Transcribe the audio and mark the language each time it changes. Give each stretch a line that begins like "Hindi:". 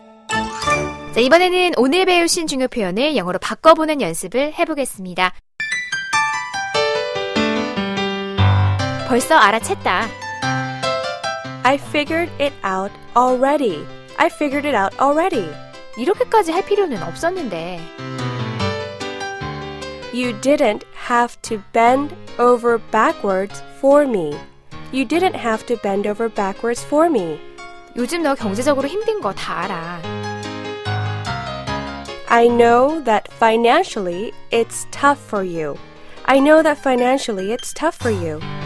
Korean: 자, 이번에는 오늘 배우신 중요 표현을 영어로 바꿔보는 연습을 해보겠습니다. 벌써 알아챘다.
English: I figured it out already. I figured it out already.
Korean: 이렇게까지 할 필요는 없었는데.
English: You didn't have to bend over backwards for me. You didn't have to bend over backwards for me.
Korean: 요즘 너 경제적으로 힘든 거 다 알아.
English: I know that financially it's tough for you. I know that financially it's tough for you.